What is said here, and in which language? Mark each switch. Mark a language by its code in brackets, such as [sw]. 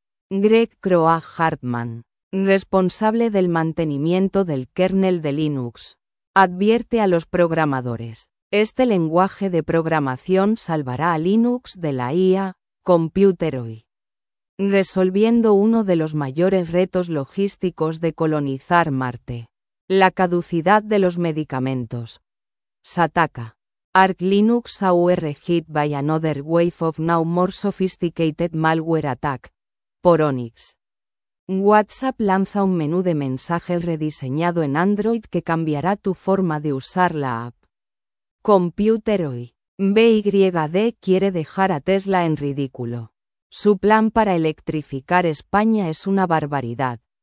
[es] Greg Croah Hartman, responsable del mantenimiento del kernel de Linux, advierte a los programadores. Este lenguaje de programación salvará a Linux de la IA, Computer OI. Resolviendo uno de los mayores retos logísticos de colonizar Marte. La caducidad de los medicamentos. Sataka. [en] Arch Linux AUR hit by another wave of now more sophisticated malware attack. [es] Por Onyx. WhatsApp lanza un menú de mensajes rediseñado en Android que cambiará tu forma de usar la app. Computer OI. BYD quiere dejar a Tesla en ridículo. Su plan para electrificar España es una barbaridad.